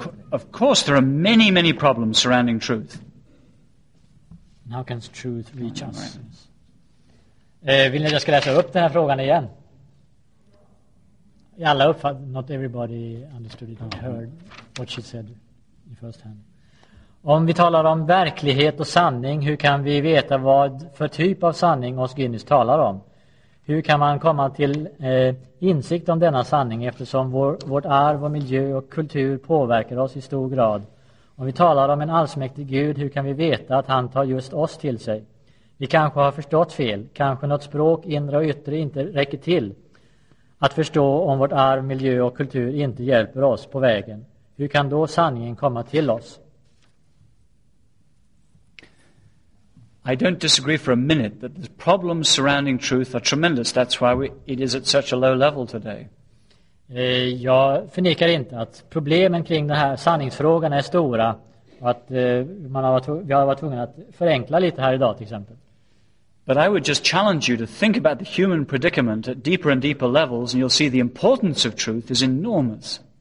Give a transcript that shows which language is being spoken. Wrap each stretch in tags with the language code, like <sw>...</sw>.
<en>Of course, there are many, many problems surrounding truth. How can truth reach us?</en> <sv>Vill ni att jag ska läsa upp den här frågan igen? Alla uppfattar,</sv> <en>not everybody understood it and heard what she said the first hand.</en> <sv>Om vi talar om verklighet och sanning, hur kan vi veta vad för typ av sanning Os Guinness talar om? Hur kan man komma till insikt om denna sanning eftersom vårt arv och miljö och kultur påverkar oss i stor grad? Om vi talar om en allsmäktig Gud, hur kan vi veta att han tar just oss till sig? Vi kanske har förstått fel. Kanske något språk, inre och yttre, inte räcker till att förstå om vårt arv, miljö och kultur inte hjälper oss på vägen. Hur kan då sanningen komma till oss?</sv> <en>I don't disagree for a minute that the problems surrounding truth are tremendous. That's why it is at such a low level today.</en> <sv>Jag förnekar inte att problemen kring den här sanningsfrågan är stora och att vi har varit tvungna att förenkla lite här idag till exempel.</sv> <en>But I would just challenge you to think about the human predicament at deeper and deeper levels, and you'll see the importance of truth is enormous.</en>